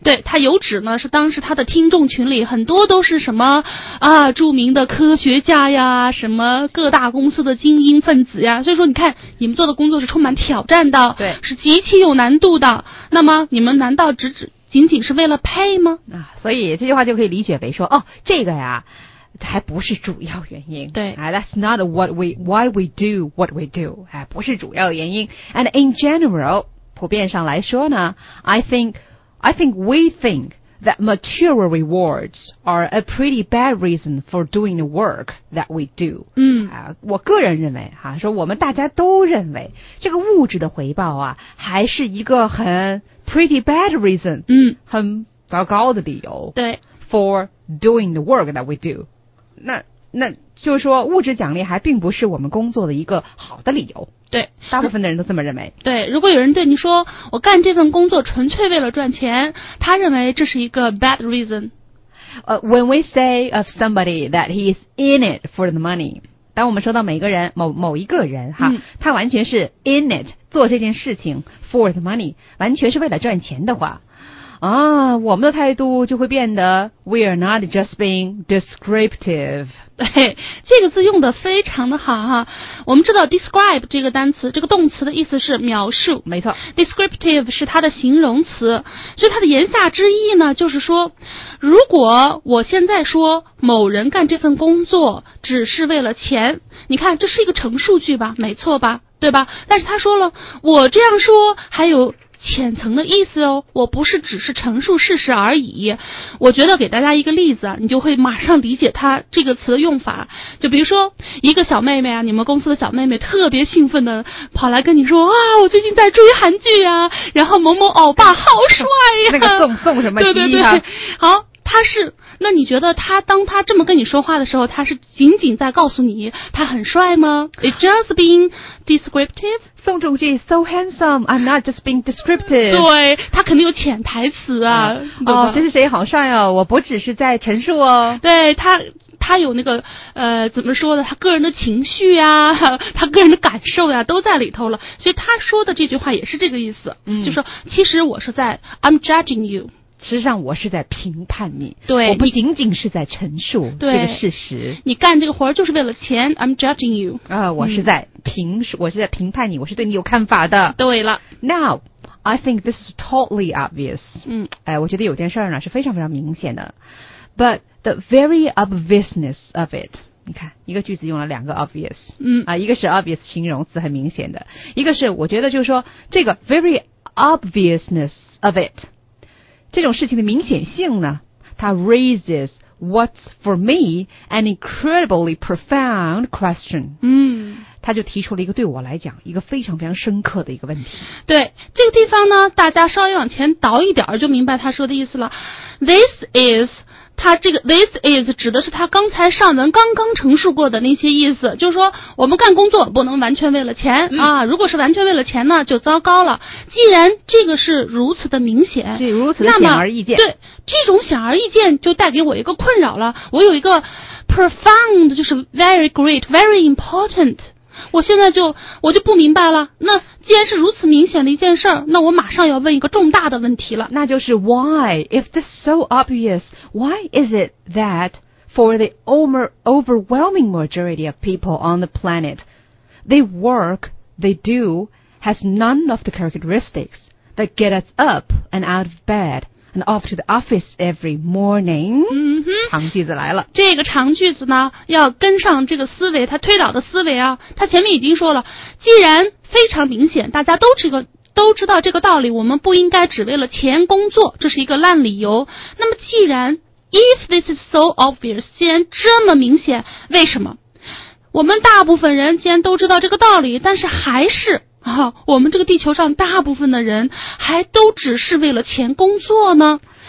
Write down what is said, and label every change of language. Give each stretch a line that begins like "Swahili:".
Chinese: 对，他有指呢是当时他的听众群里很多都是什么啊著名的科学家呀，什么各大公司的精英分子呀，所以说你看你们做的工作是充满挑战的，对，是极其有难度的，那么你们难道只仅仅是为了pay吗？啊，所以这句话就可以理解为说，哦，这个呀还不是主要原因。对、
English: That's not what we why we do what we do,
Chinese: 哎，不是主要原因。
English: And in general,
Chinese: 普遍上来说呢，
English: I think that material rewards are a pretty bad reason for doing the work that we do.
Chinese: 嗯，啊，我个人认为哈，说我们大家都认为这个物质的回报啊，还是一个很
English: pretty bad reason，
Chinese: 嗯，很糟糕的理由。对，
English: for doing the work that we do，
Chinese: 那就是说物质奖励还并不是我们工作的一个好的理由。对，大部分的人都这么认为。对，如果有人对你说我干这份工作纯粹为了赚钱，他认为这是一个
English: bad reason。 When we say of somebody that he is in it for the money,
Chinese: 当我们说到每个人某一个人哈、嗯、他完全是
English: in it
Chinese: 做这件事情
English: for the money,
Chinese: 完全是为了赚钱的话，啊，我们的态度就会变得
English: We are not just being descriptive。
Chinese: 对，这个字用得非常的好哈。我们知道 describe 这个单词，这个动词的意思是描述，没错， descriptive 是它的形容词，所以它的言下之意呢，就是说如果我现在说某人干这份工作只是为了钱，你看这是一个陈述句吧，没错吧，对吧？但是他说了，我这样说还有浅层的意思哦，我不是只是陈述事实而已。我觉得给大家一个例子，你就会马上理解它这个词的用法。就比如说一个小妹妹啊，你们公司的小妹妹特别兴奋的跑来跟你说啊，我最近在追韩剧啊，然后某某欧巴好帅呀、啊、那个送什么机啊，对对对，好，他是，那你觉得他当他这么跟你说话的时候，他是仅仅在告诉你他很帅吗？
English: It's just being descriptive。宋仲基 so handsome, I'm not just being descriptive。
Chinese: 对，他肯定有潜台词啊、嗯、哦，谁是谁好帅哦，我不只是在陈述哦，对，他有那个怎么说的，他个人的情绪啊，他个人的感受啊，都在里头了，所以他说的这句话也是这个意思、嗯、就说其实我是在
English: I'm judging you，
Chinese: 实际上我是在评判你，对，我不仅仅是在陈述这个事实。你干这个活就是为了钱 ，
English: I'm judging you。
Chinese: 啊，我是在评、嗯，我是在评判你，我是对你有看法的。对了
English: ，Now I think this is totally obvious。
Chinese: 嗯，哎，我觉得有件事呢是非常非常明显的 ，
English: But the very obviousness of it。
Chinese: 你看，一个句子用了两个 obvious。嗯，啊，一个是 obvious 形容词，很明显的；一个是我觉得就是说这个
English: very obviousness of it。
Chinese: 这种事情的明显性呢，它
English: raises what's for me an incredibly profound question。
Chinese: 嗯，他就提出了一个对我来讲一个非常非常深刻的一个问题。对，这个地方呢，大家稍微往前倒一点就明白他说的意思了。
English: This is，
Chinese: 他这个
English: this is
Chinese: 指的是他刚才上文刚刚陈述过的那些意思，就是说我们干工作不能完全为了钱、嗯、啊，如果是完全为了钱呢就糟糕了。既然这个是如此的明显，是如此的显而易见，对，这种显而易见就带给我一个困扰了。我有一个 profound， 就是
English: very great， very important，
Chinese: 我现在我就不明白了。那既然是如此明显的一件事儿，那我马上要问一个重大的问题了，
English: 那就是 why， if this is so obvious， why is it that for the overwhelming majority of people on the planet， the work they do has none of the characteristics that get us up and out of bed and off to the office every morning。
Chinese: 嗯哼，长句子来了。这个长句子呢要跟上这个思维，他推导的思维啊，他前面已经说了，既然非常明显，大家都知道这个道理，我们不应该只为了钱工作，这是一个烂理由。那么既然
English: if this is so obvious，
Chinese: 既然这么明显，为什么我们大部分人既然都知道这个道理，但是还是啊，我们这个地球上大部分的人还都只是为了钱工作呢？